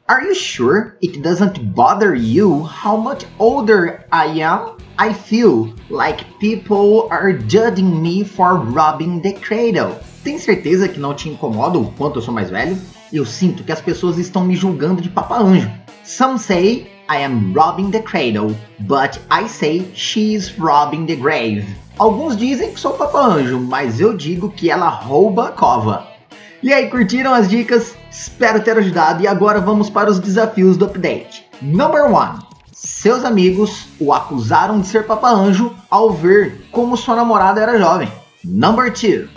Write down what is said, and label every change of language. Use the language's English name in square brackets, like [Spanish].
[English] Are you sure it doesn't bother you how much older I am? I feel like people are judging me for robbing the cradle. [Portuguese] Tem certeza que não te incomoda o quanto eu sou mais velho? Eu sinto que as pessoas estão me julgando de Papa Anjo. [English] Some say I am robbing the cradle, but I say she's robbing the grave. [Portuguese] Alguns dizem que sou Papa Anjo, mas eu digo que ela rouba a cova. E aí, curtiram as dicas? Espero ter ajudado e agora vamos para os desafios do update. [English] Number 1. [Portuguese] Seus amigos o acusaram de ser Papa Anjo ao ver como sua namorada era jovem. [English] Number 2.